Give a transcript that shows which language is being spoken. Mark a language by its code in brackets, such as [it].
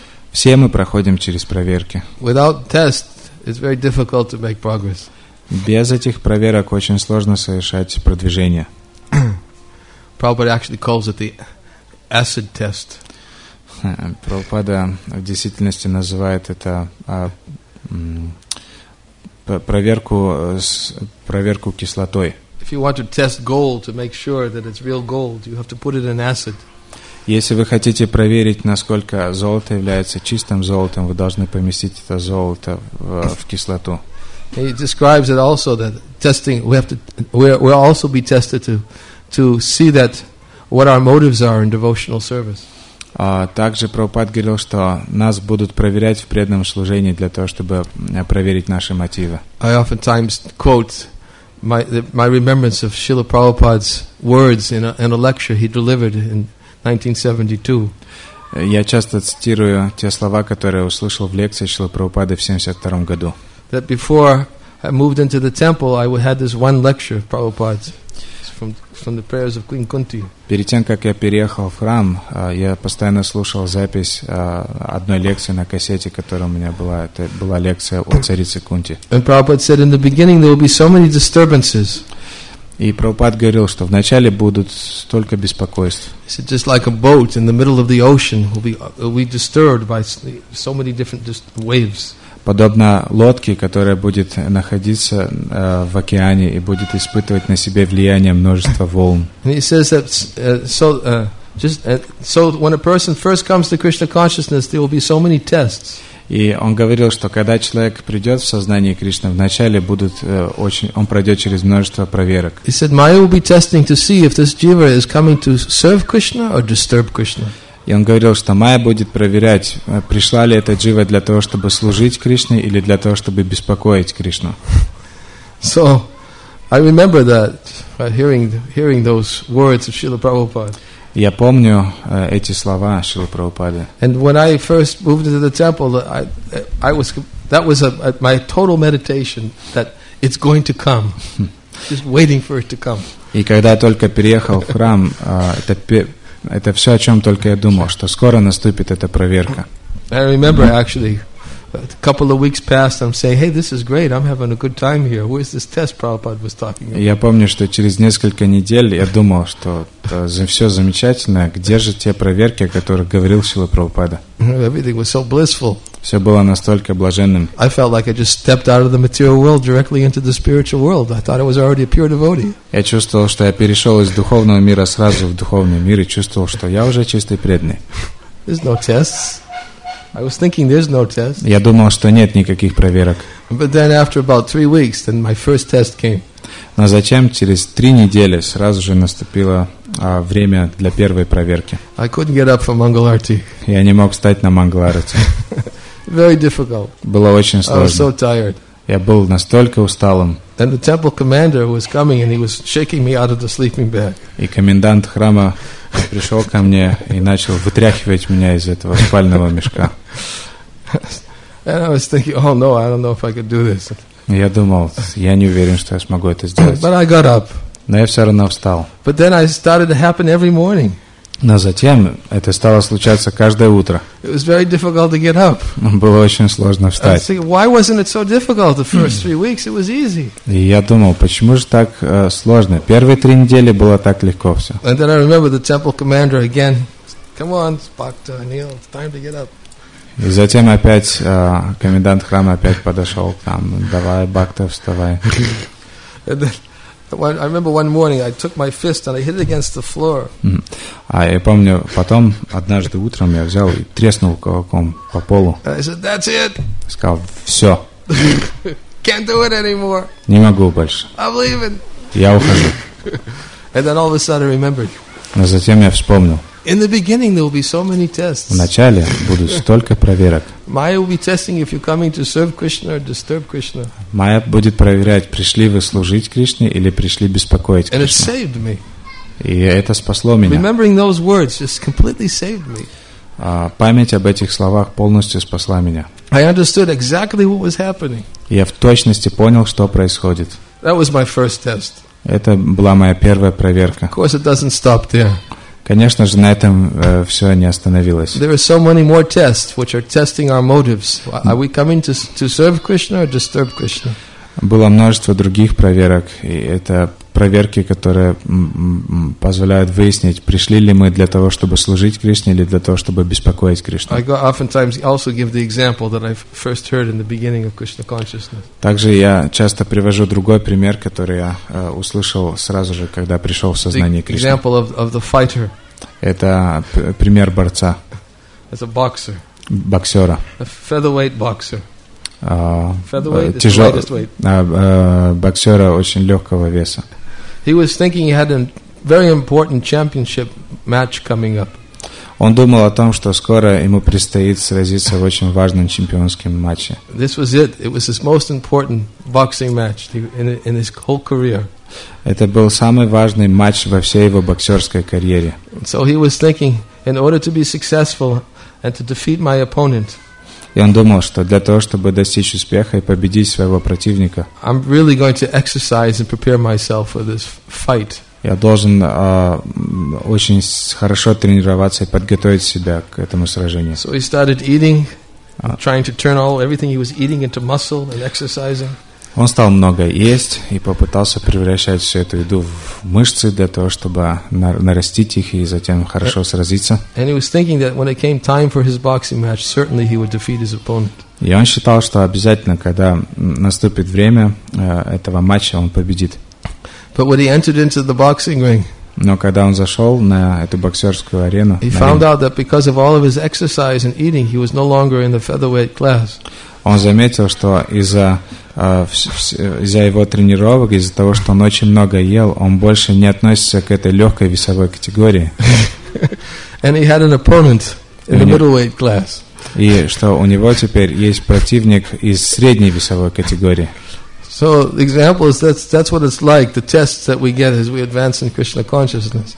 [ru] Все мы проходим через проверки. [en] Without test, it's very difficult to make progress. [ru] Без этих проверок очень сложно совершать продвижение. [en] Prabhupada actually calls it the acid test. [ru] Прабхупада в действительности называет это проверку кислотой. [en] If you want to test gold to make sure that it's real gold, you have to put it in acid. [ru] Если вы хотите проверить, насколько золото является чистым золотом, вы должны поместить это золото в кислоту. [en] He describes it also that testing we'll also be tested to see that what our motives are in devotional service. [ru] Также Прабхупад говорил, что нас будут проверять в преданном служении для того, чтобы проверить наши мотивы. [en] I oftentimes quote my remembrance of Srila Prabhupada's words in a lecture he delivered in 1972. [ru] Я часто цитирую те слова, которые услышал в лекции Шрилы Прабхупады в 72 году. [en] That before I moved into the temple, I had this one lecture of Prabhupada's from the prayers of Queen Kunti. [ru] Перед тем, как я переехал в храм, я постоянно слушал запись одной лекции на кассете, которая у меня была. Это была лекция о царице Кунти. [en] And Prabhupada said, in the beginning there will be so many disturbances. [ru] И Прабхупад говорил, что вначале будут столько беспокойств. [en] Just like a boat in the middle of the ocean will be disturbed by so many different waves. [ru] Подобно лодке, которая будет находиться в океане и будет испытывать на себе влияние множества волн. [en] And he says that so when a person first comes to Krishna consciousness, there will be so many tests. [ru] И он говорил, что когда человек придет в сознание Кришны, вначале будут очень, он пройдет через множество проверок. [en] He said, Maya will be testing to see if this jiva is coming to serve Krishna or disturb Krishna. [ru] И он говорил, что Майя будет проверять, пришла ли эта джива для того, чтобы служить Кришне или для того, чтобы беспокоить Кришну. [en] So, I remember that hearing those words of Srila Prabhupada. [ru] Я помню эти слова Шрилы Прабхупады. [en] And when I first moved into the temple, I was that was a my total meditation that it's going to come. Just waiting for it to come. [ru] И когда я только переехал в храм, это все, о чем только я думал, что скоро наступит эта проверка. [en] I remember actually a couple of weeks passed, I'm saying, hey, this is great, I'm having a good time here. Where is this test Prabhupada was talking about? [ru] Я помню, что через несколько недель я думал, что все замечательно, где же те проверки, о которых говорил Шрила Прабхупада? [en] Everything was so blissful. [ru] Все было настолько блаженным. [en] I felt like I just stepped out of the material world directly into the spiritual world. I thought I was already a pure devotee. [ru] Я чувствовал, что я перешел из духовного мира сразу в духовный мир и чувствовал, что я уже чистый преданный. [en] There's no tests. I was thinking there's no test. [ru] Я думал, что нет никаких проверок. [en] But then after about 3 weeks, then my first test came. [ru] Но затем через 3 недели сразу же наступило время для первой проверки. [en] I couldn't get up from Mangal Arati. [ru] Я не мог встать на Mangal Arati. [en] Very difficult. [ru] Было очень сложно. [en] I was so tired. [ru] Я был настолько усталым. [en] Then the temple commander was coming and he was shaking me out of the sleeping bag. [ru] И комендант храма пришел ко мне и начал вытряхивать меня из этого спального мешка. [en] And I was thinking, oh no, I don't know if I could do this. [ru] Я думал, я не уверен, что я смогу это сделать. [en] But I got up. [ru] Но я все равно встал. [en] But then I started to happen every morning. [ru] Но затем это стало случаться каждое утро. [en] It was very difficult to get up. [ru] Было очень сложно встать. [en] I was thinking, why wasn't it so difficult the first 3 weeks? It was easy. [ru] И я думал, почему же так сложно? Первые 3 недели было так легко все. [en] And then I remember the temple commander again. Come on, Bhakta, Anil, it's time to get up. [ru] И затем опять комендант храма опять подошел к нам. Давай, Бхакта, вставай. [en] I remember one morning I took my fist and I hit it against the floor. [ru] А я помню, потом однажды утром я взял и треснул кулаком по полу. [en] I said, that's it. [ru] Сказал, все. [en] Can't do it anymore. [ru] Не могу больше. [en] I'm leaving. [ru] Я ухожу. [en] And then all of a sudden I remembered. [ru] Но затем я вспомнил. [en] In the beginning there will be so many tests. [ru] Вначале будут столько проверок. [en] Maya will be testing if you're coming to serve Krishna or disturb Krishna. [ru] Maya будет проверять, пришли вы служить Кришне или пришли беспокоить Кришну. [en] And it saved me. [ru] И это спасло меня. [en] Remembering those words just completely saved me. [ru] Память об этих словах полностью спасла меня. [en] I understood exactly what was happening. [ru] Я в точности понял, что происходит. [en] That was my first test. [ru] Это была моя первая проверка. [en] Of course, it doesn't stop there. [ru] Конечно же, на этом все не остановилось. [en] There are so many more tests, which are testing our motives. Are we coming to serve Krishna or disturb Krishna? [ru] Было множество других проверок, и это проверки, которые позволяют выяснить, пришли ли мы для того, чтобы служить Кришне, или для того, чтобы беспокоить Кришну. [en] I oftentimes also give the example that I first heard in the beginning of Krishna consciousness. [ru] Также я часто привожу другой пример, который я услышал сразу же, когда пришел в сознание Кришны. [en] Example of the fighter. [ru] Это пример борца. [en] As a boxer. [ru] Боксера. [en] A featherweight boxer. [ru] Боксера очень легкого веса. [en] He was thinking he had a very important championship match coming up. [ru] Он думал о том, что скоро ему предстоит сразиться в очень важном чемпионском матче. [en] This was it. It was his most important boxing match in his whole career. [ru] Это был самый важный матч во всей его боксерской карьере. [en] So he was thinking, in order to be successful and to defeat my opponent. [ru] И он думал, что для того, чтобы достичь успеха и победить своего противника, [en] I'm really going to exercise and prepare myself for this fight. [ru] Я должен очень хорошо тренироваться и подготовить себя к этому сражению. [en] So he started eating, trying to turn all everything he was eating into muscle and exercising. [ru] Он стал много есть и попытался превращать всю эту еду в мышцы для того, чтобы нарастить их и затем хорошо сразиться. И он считал, что обязательно, когда наступит время этого матча, он победит. [en] But when he entered into the boxing ring, [ru] но когда он зашел на эту боксерскую арену, [en] he found out that because of all of his exercise and eating, he was no longer in the featherweight class. [ru] Он заметил, что из-за его тренировок, из-за того, что он очень много ел, он больше не относится к этой легкой весовой категории. [en] And he had an opponent in the middleweight class. [ru] И что у него теперь есть противник из средней весовой категории. [en] So the example is that's what it's like, the tests that we get as we advance in Krishna consciousness.